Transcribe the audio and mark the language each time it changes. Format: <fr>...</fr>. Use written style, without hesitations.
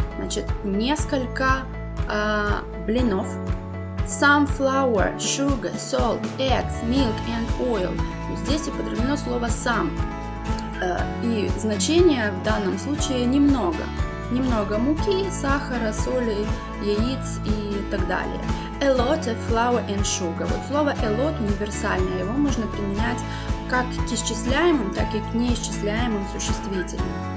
<ru>Значит, несколько блинов.</ru> <en>Some flour, sugar, salt, eggs, milk and oil.</en> <ru>Здесь и подразумевается слово some. И значение в данном случае немного. Немного муки, сахара, соли, яиц и так далее.</ru> <en>A lot of flour and sugar.</en> <ru>Вот слово a lot универсальное. Его можно применять как к исчисляемым, так и к неисчисляемым существительным.</ru>